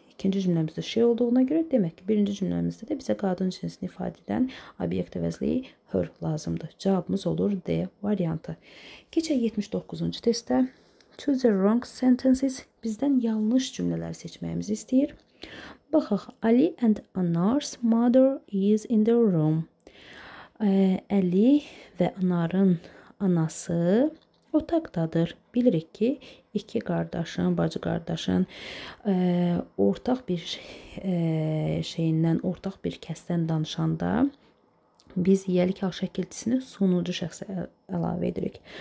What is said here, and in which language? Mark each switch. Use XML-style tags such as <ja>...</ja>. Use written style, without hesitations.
<az>İkinci cümləmizdə şey olduğuna görə demək ki, birinci cümləmizdə də bizə qadın cinsini ifadə edən obyekt əvəzliyi her lazımdır. Cavabımız olur D variantı. Keçək 79-cu testə.</az> <en>Choose the wrong sentences.</en> <az>Bizdən yanlış cümlələr seçməyimizi istəyir.</az> <en>Baxaq, Ali and Anar's mother is in the room.</en> <az>Ali və Anar'ın anası otaqdadır. Bilirik ki, iki qardaşın, bacı qardaşın ortaq bir şeyindən, ortaq bir kəsdən danışanda biz yəlik hal şəkilçisini sonuncu şəxsə əlavə edirik.</az>